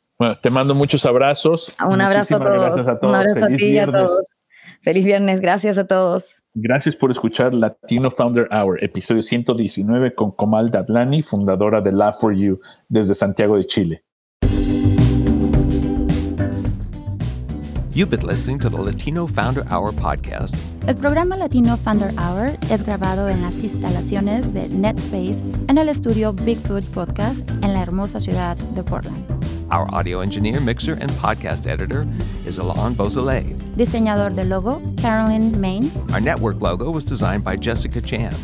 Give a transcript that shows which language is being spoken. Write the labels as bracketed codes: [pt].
[es] Bueno, te mando muchos abrazos. Un abrazo a todos. Gracias a todos. Un abrazo feliz a ti viernes. Y a todos. Feliz viernes. Gracias a todos. Gracias por escuchar Latino Founder Hour, episodio 119 con Komal Dadlani, fundadora de Lab4U, desde Santiago de Chile. [en] You've been listening to the Latino Founder Hour podcast. [es] El programa Latino Founder Hour es grabado en las instalaciones de NetSpace en el estudio Bigfoot Podcast en la hermosa ciudad de Portland. [en] Our audio engineer, mixer, and podcast editor is Alain Beausoleil. [es] Diseñador de logo, Carolyn Main. [en] Our network logo was designed by Jessica Chan.